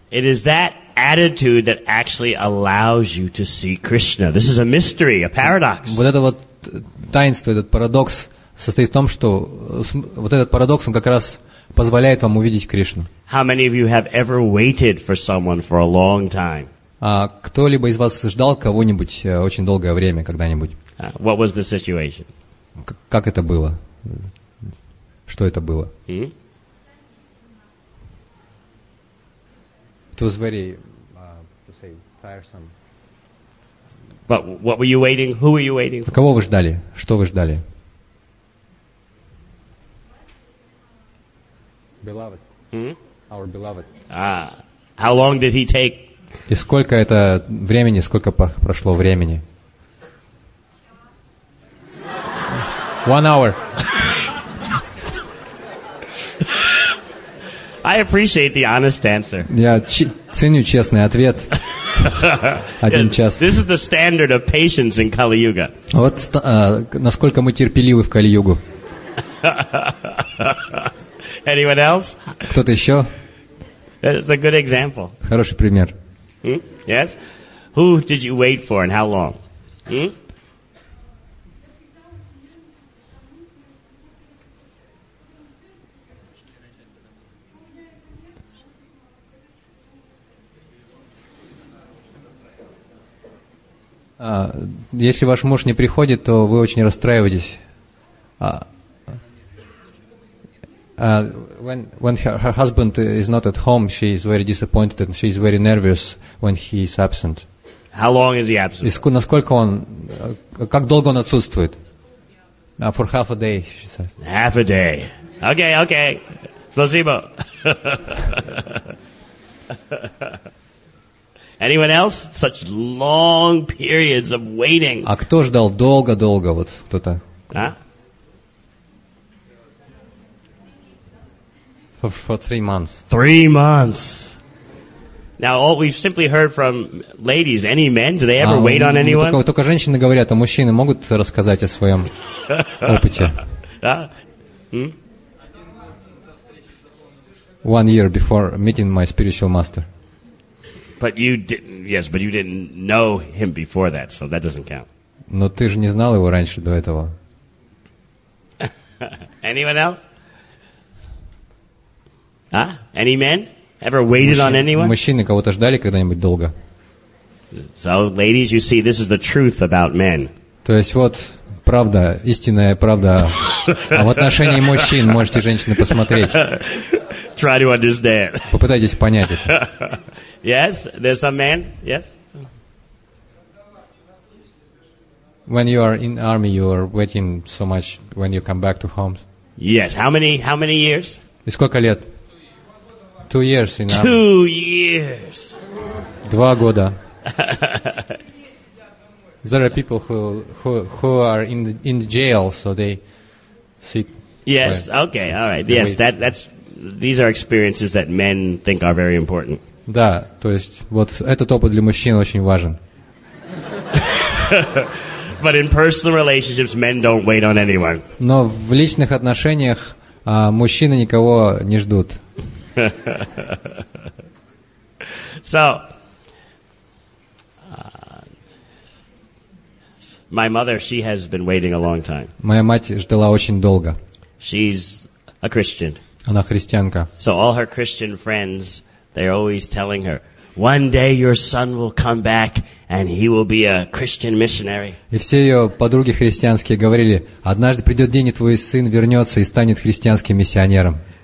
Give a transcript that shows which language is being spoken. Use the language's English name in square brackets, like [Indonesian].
[English] It is that attitude that actually allows you to see Krishna. This is a mystery, a paradox. [Russian] Вот это вот таинство, этот парадокс состоит в том, что вот этот парадокс, он как раз позволяет вам увидеть Кришну. [English] How many of you have ever waited for someone for a long time? [Russian] Кто-либо из вас ждал кого-нибудь очень долгое время когда-нибудь? [English] What was the situation? [Russian] Как это было? Что это было? [English] It was very, to say, tiresome. But what were you waiting? Who were you waiting for? [Russian] Кого вы ждали? Что вы ждали? [English] Beloved. Our beloved. How long did he take? [Russian] И сколько это времени, сколько прошло времени? [English] 1 hour. I appreciate the honest answer. [Russian] Я ценю честный ответ. Один час. [English] This is the standard of patience in Kali Yuga. [Russian] Вот насколько мы терпеливы в Кали-Югу. [English] Anyone else? [Russian] Кто-то еще? [English] That's a good example. [Russian] Хороший пример. [English] Yes. Who did you wait for and how long? [Russian] Если ваш муж не приходит, то вы очень расстраиваетесь. [English] When her husband is not at home, she is very disappointed and she is very nervous when he is absent. How long is he absent? [Russian] Насколько он, как долго он отсутствует? [English] For half a day, she said. Half a day. Okay. [Russian] Спасибо. [English] Anyone else? Such long periods of waiting. [Russian] А кто ждал долго-долго, вот кто-то? А? [English] For 3 months. 3 months. Now, all we've simply heard from ladies, any men, do they ever wait on anyone? [Russian] Только женщины говорят, а мужчины могут рассказать о своем опыте? [English] One year before meeting my spiritual master. But you didn't know him before that, so that doesn't count. [Russian] Но ты же не знал его раньше до этого. [English] Anyone else? Huh? Any men ever waited on anyone? [Russian] Мужчины кого-то ждали когда-нибудь долго? [English] So, ladies, you see, this is the truth about men. [Russian] То есть вот правда, истинная правда в отношении мужчин. Можете, женщины, посмотреть. [English] Try to understand. [Russian] Попытайтесь понять это. [English] Yes, there's some men. Yes. When you are in army, you are waiting so much when you come back to home. Yes. How many years? [Russian] И сколько лет? [English] 2 years. Two years. [Russian] 2 года. [English] There are people who are in the jail, so they sit. Yes. Where, okay. All right. Yes. These are experiences that men think are very important. [Russian] Да. То есть вот этот опыт для мужчин очень важен. [English] But in personal relationships, men don't wait on anyone. [Russian] Но в личных отношениях мужчины никого не ждут. [English] So, my mother, she has been waiting a long time. [Russian] Моя мать ждала очень долго. [English] She's a Christian. [Russian] Она христианка. [English] So all her Christian friends, they're always telling her, "One day your son will come back, and he will be a Christian missionary." [Russian] И все ее подруги христианские говорили, однажды придет день, и твой сын вернется и станет христианским миссионером.